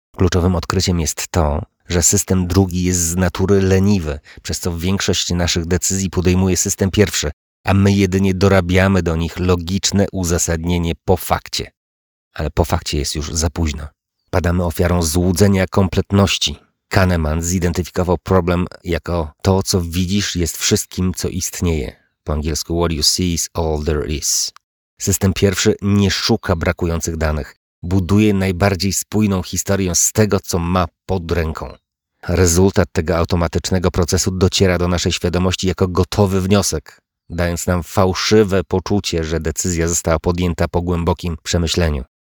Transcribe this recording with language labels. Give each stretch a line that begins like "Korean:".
Polish: Kluczowym odkryciem jest to, że system drugi jest z natury leniwy, przez co większość naszych decyzji podejmuje system pierwszy, a my jedynie dorabiamy do nich logiczne uzasadnienie po fakcie. Ale po fakcie jest już za późno. Padamy ofiarą złudzenia kompletności. Kahneman zidentyfikował problem jako to, co widzisz, jest wszystkim, co istnieje. Po angielsku
English: what you see is all there is.
Polish: System pierwszy nie szuka brakujących danych. Buduje najbardziej spójną historię z tego, co ma pod ręką. Rezultat tego automatycznego procesu dociera do naszej świadomości jako gotowy wniosek. dając nam fałszywe poczucie, że decyzja została podjęta po głębokim przemyśleniu.